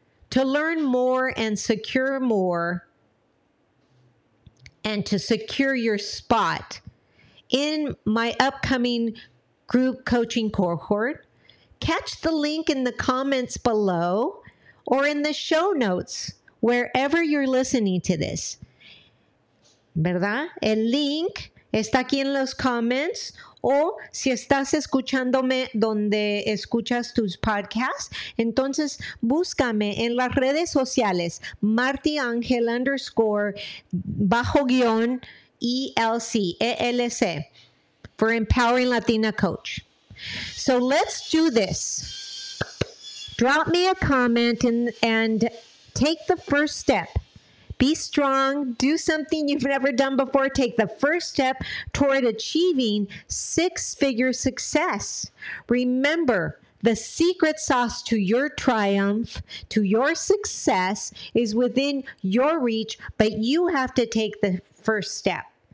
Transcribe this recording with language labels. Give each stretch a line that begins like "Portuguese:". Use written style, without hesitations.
English: To learn more and secure more, and to secure your spot in my upcoming group coaching cohort, catch the link in the comments below or in the show notes, wherever you're listening to this.
Spanish: ¿Verdad? El link está aquí en los comments, o si estás escuchándome donde escuchas tus podcasts, entonces búscame en las redes sociales, MartyAngel_ELLC, for Empowering Latina Coach.
English: So let's do this. Drop me a comment and take the first step. Be strong. Do something you've never done before. Take the first step toward achieving six-figure success. Remember, the secret sauce to your triumph, to your success, is within your reach, but you have to take the first step.